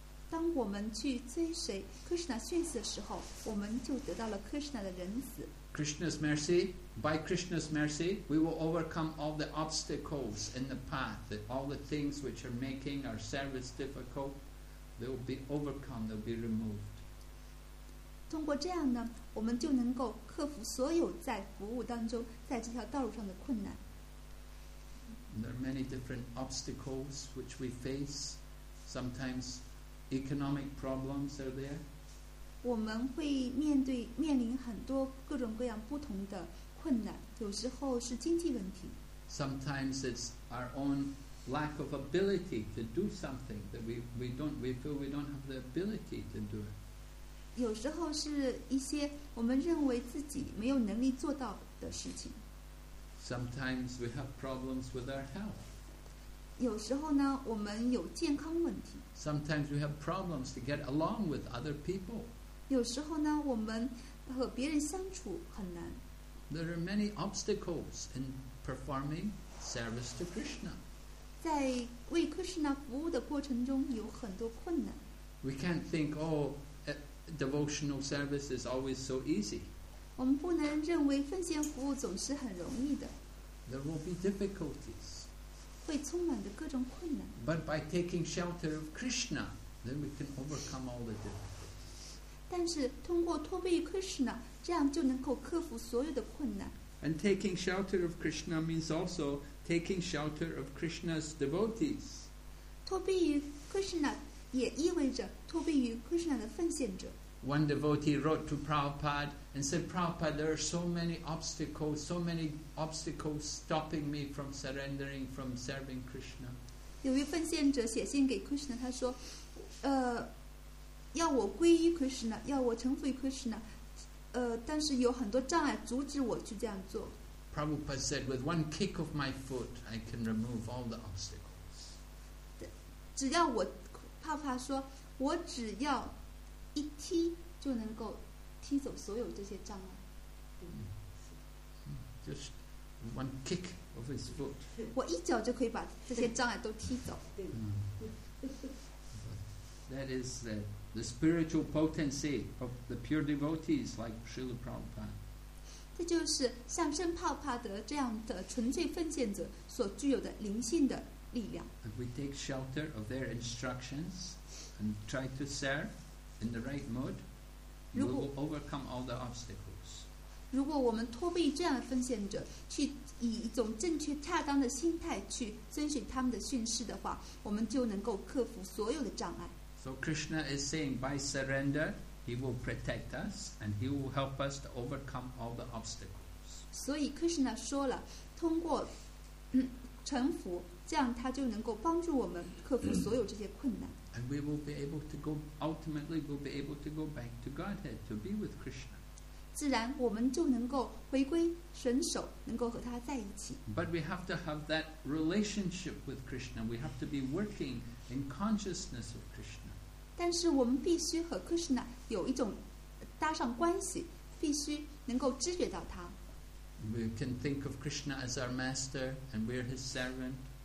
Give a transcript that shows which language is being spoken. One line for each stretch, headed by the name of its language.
Chinese: 当我们去追随 Krishna 训示的时候，我们就得到了 Krishna 的仁慈。
English: Krishna's mercy, by Krishna's mercy, we will overcome all the obstacles in the path, all the things which are making our service difficult, they will be overcome, they will be removed.
Chinese: 通过这样呢，我们就能够克服所有在服务当中，在这条道路上的困难。
English: There are many different obstacles which we face. Sometimes economic problems are there.
Chinese: 我们会面临很多各种各样不同的困难，有时候是经济问题。
English: Sometimes it's our own lack of ability to do something that we feel we don't have the ability to do it.
Chinese: 有时候是一些我们认为自己没有能力做到的事情。
English: Sometimes we have problems with our health.
Chinese: 有时候呢，我们有健康问题。
English: Sometimes we have problems to get along with other people.
Chinese: 有时候呢，我们和别人相处很难。
English: There are many obstacles in performing service to Krishna.
Chinese: 在为 Krishna 服务的过程中有很多困难。
English: We can't think, oh, devotional service is always so easy.
Chinese: 我们不能认为奉献服务总是很容易的。
English: There will be difficulties.
Chinese: 会充满着各种困难。
English: But by taking shelter of Krishna, then we can overcome all the difficulties.
Chinese: 但是通过托庇于 Krishna， 这样就能够克服所有的困难。
English: And taking shelter of Krishna means also taking shelter of Krishna's devotees.
Chinese: 托庇于 Krishna 也意味着托庇于 Krishna 的奉献者。
English: One devotee wrote to Prabhupada and said, "Prabhupada, there are so many obstacles stopping me from surrendering, from serving Krishna."
Chinese: 有一奉献者写信给 Krishna， 他说，要我皈依 Krishna， 要我臣服于 Krishna， 但是有很多障碍阻止我去这样做。
English: Prabhupada said, "With one kick of my foot, I can remove all the obstacles."
Chinese: 只要我，帕帕说，我只要一踢就能够踢走所有这些障碍。
English: Just one kick of his foot.
Chinese: 我一脚就可以把这些障碍都踢走。
English: That is the spiritual potency of the pure devotees like Srila Prabhupada.
Chinese: 这就是像圣帕帕德这样的纯粹奉献者所具有的灵性的力量。
English: If we take shelter of their instructions and try to serve in the right mood, we will overcome all the obstacles.
Chinese: 如果我们托庇这样的奉献者，去以一种正确恰当的心态去遵循他们的训示的话，我们就能够克服所有的障碍。
English: So Krishna is saying, by surrender, he will protect us and he will help us to overcome all the obstacles.
Chinese: 所以 Krishna 说了，通过臣服，这样他就能够帮助我们克服所有这些困难。
English: And we will be able to go, ultimately we'll be able to go back to Godhead, to be with Krishna.
Chinese: 自然我们就能够回归神手，能够和他在一起。
English: But we have to have that relationship with Krishna. We have to be working in consciousness of Krishna.
Chinese: 但是我们必须和 Krishna 有一种搭上关系，必须能够知觉到他。
English: can think of Krishna as our master and we're his servant.